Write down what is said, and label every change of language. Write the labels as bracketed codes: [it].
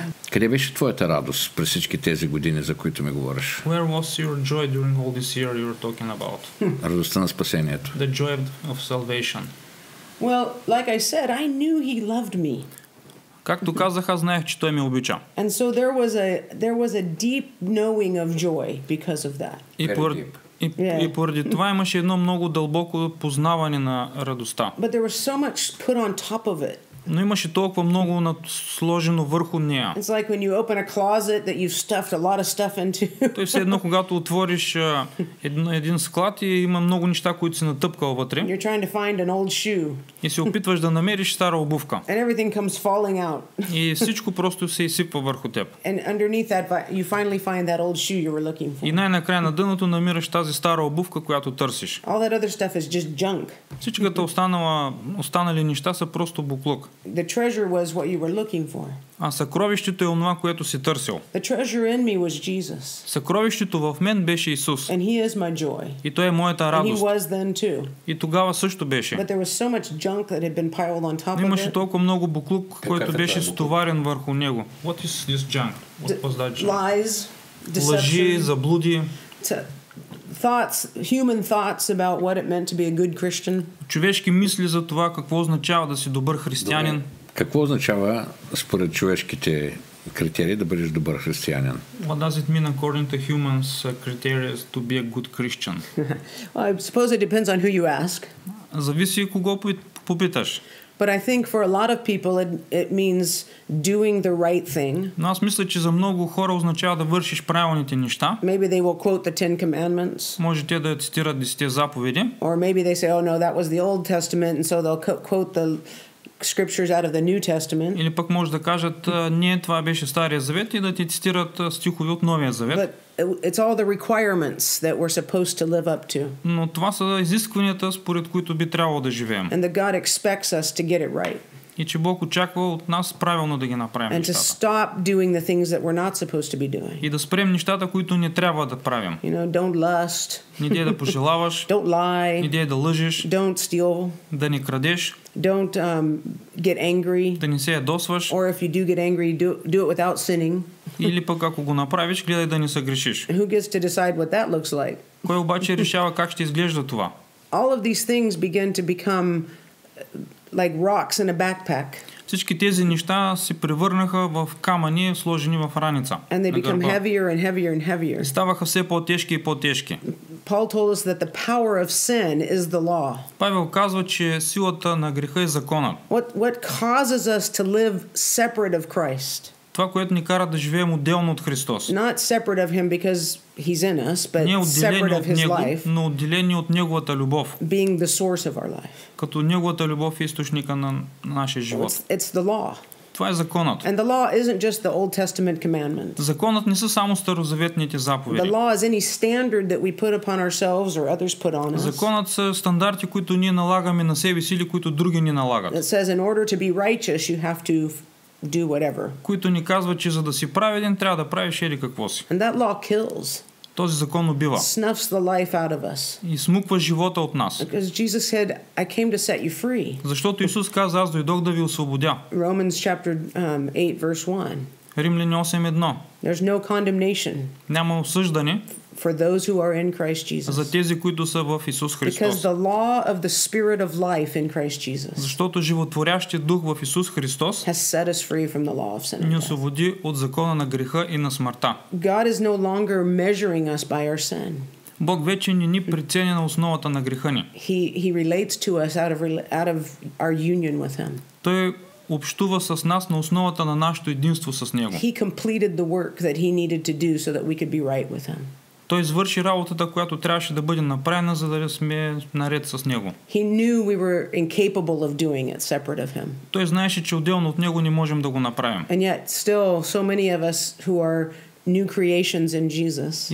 [bg] Къде беше твоята радост през всички тези години, за които ми говориш? [en] Where was your joy during all this year you were talking about? [bg] Радостта на спасението. [en] The joy of salvation. Well, like I said, I knew he loved me. [bg] Както казах, аз знаех, че той ме обича. [en] And so there was a deep knowing of joy because of that. [bg] И поради това имаше едно много дълбоко познаване на радостта. [en] But there was so much put on top of it. [bg] Но имаше толкова много сложено върху нея. [en] It's like when you open a closet that you've stuffed a lot of stuff into. [bg] Тоест все едно когато отвориш един склад и има много неща, които си натъпкал вътре. [en] You're trying to find an old shoe. [bg] И се опитваш да намериш стара обувка. [en] And everything comes falling out. [bg] И всичко просто се изсипва върху теб. [en] And underneath that you finally find that old shoe you were looking for. [bg] И най-накрая на дъното намираш тази стара обувка, която търсиш. [en] All that other stuff is just junk. [bg] Всичката останали неща са просто буклук. [en] The treasure was what you were looking for. [bg] А съкровището е онова, което си търсил. [en] The treasure in me was Jesus. [bg] Съкровището в мен беше Исус. [en] And he is my joy. [bg] И той е моята радост. [en] And he was then too. [bg] И тогава също беше. [en] But there was so much junk that had been piled on top of it. [bg] Имаше толкова много буклук, който беше стоварен върху него. [en] What is this junk? Lies, deception. [bg] Лъжи, заблуди. [en] Thoughts, human thoughts about what it meant to be a good Christian. [bg] Човешки мисли за това какво означава да си добър християнин. Добре. Какво означава според човешките критерии да бъдеш добър християнин? [en] What does it mean according to humans criteria to be a good Christian? Well, I suppose it depends on who you ask. [bg] Зависи кого попиташ. [en] But I think for a lot of people it means doing the right thing. [bg] Но аз мисля, че за много хора означава да вършиш правилните неща. [en] Maybe they will quote the Ten Commandments. [bg] Може те да цитират 10-те заповеди. [en] Or maybe they say, oh no, that was the Old Testament, and so they'll quote the scriptures out of the New Testament. [bg] Или пък може да кажат, не, това беше Стария Завет и да ти цитират стихове от Новия Завет. [en] But it's all the requirements that we're supposed to live up to. [bg] Но това са изискванията, според които би трябвало да живеем. [en] And that God expects us to get it right. [bg] И че Бог очаква от нас правилно да ги направим [en] and [bg] нещата. [en] And to stop doing the things that we're not supposed to be doing. [bg] И да спрем нещата, които не трябва да правим. [en] You know, don't lust. [bg] Не дей да пожелаваш. [en] Don't lie. [bg] Не дей да лъжиш. [en] Don't steal. [bg] Да не крадеш. [en] Don't get angry. [bg] Да не се ядосваш. [en] Or if you do get angry, do it without sinning. [bg] Или пък ако го направиш, гледай да не съгрешиш. [en] And who gets to decide what that looks like? [bg] Кой обаче решава как ще изглежда това? [en] All of these things begin to become like rocks in a backpack. [bg] Всички тези неща се превърнаха в камъни, сложени в раница. [en] And they become heavier and heavier and heavier. [bg] Ставаха все по-тежки и по-тежки. [en] Paul told us that the power of sin is the law. [bg] Павел казва, че силата на греха е законът. [en] What causes us to live separate of Christ? [bg] Това, което ни кара да живеем отделно от Христос. [en] Not separate of him because he's in us, but separate of his life. [bg] Но отделени от неговата любов. [en] Being the source of our life. [bg] Като неговата любов е източника на нашия живот. [en] It's the law. [bg] Това е законът. [en] And the law isn't just the Old Testament commandments. [bg] Законът не са само старозаветните заповеди. [en] The law is any standard that we put upon ourselves or others put on us. [bg] Законът са стандарти, които ние налагаме на себе си или които други ни налагат. [en] It says in order to be righteous you have to do whatever. [bg] Които ни казва, че за да си праведен, трябва да правиш еди какво си. [en] And that law kills. [bg] Този закон убива. [en] Snuffs the life out of us. [bg] И смуква живота от нас. [en] Because Jesus said, I came to set you free. [bg] Защото Исус каза, аз дойдох да ви освободя. [en] Romans chapter 8 verse 1. [bg] Римляни 8:1. [en] There's no condemnation. [bg] Няма осъждане. [en] For those who are in Christ Jesus. [bg] За тези, които са в Исус Христос. [en] Because the law of the Spirit of life in Christ Jesus. [bg] Защото животворящия дух в Исус Христос [en] has set us free from the law of sin. [bg] Ни освободи от закона на греха и на смъртта. [en] God is no longer measuring us by our sin. [bg] Бог вече не ни преценява на основата на греха ни. [en] He relates to us out of our union with him. [bg] Той общува с нас на основата на нашето единство с него. [en] He completed the work that he needed to do so that we could be right with him. [bg] Той извърши работата, която трябваше да бъде направена, за да сме наред с него. [en] He knew we were incapable of doing it separate of him. [bg] Той знаеше, че отделно от него не можем да го направим. [en] And yet still so many of us who are new creations in Jesus.